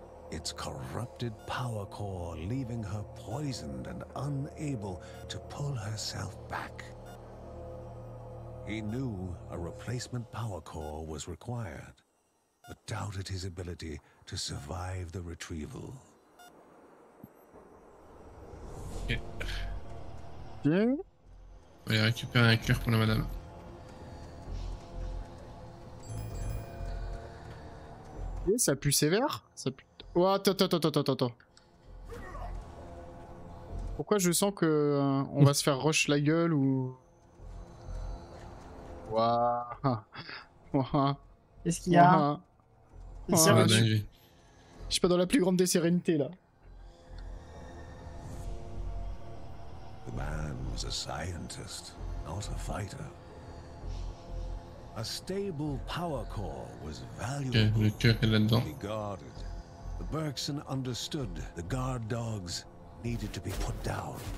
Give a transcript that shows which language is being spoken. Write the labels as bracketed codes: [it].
[en] Its corrupted power core leaving her poisoned and unable to pull herself back. He knew a replacement power core was required, but doubted his ability to survive the retrieval. Okay. [fr] Bien. On va aller récupérer un cœur pour la madame. Et ça pue sévère. Ça pue. Oh, attends. Pourquoi je sens que on va se faire rush la gueule ou. Waouh. Qu'est-ce qu'il y a? Je suis pas dans la plus grande des sérénités là. [en] The man was a scientist, not a fighter. A stable power core was valuable. [fr] Le cœur est là-dedans. [en] The Bergson understood the guard dogs needed to be put down.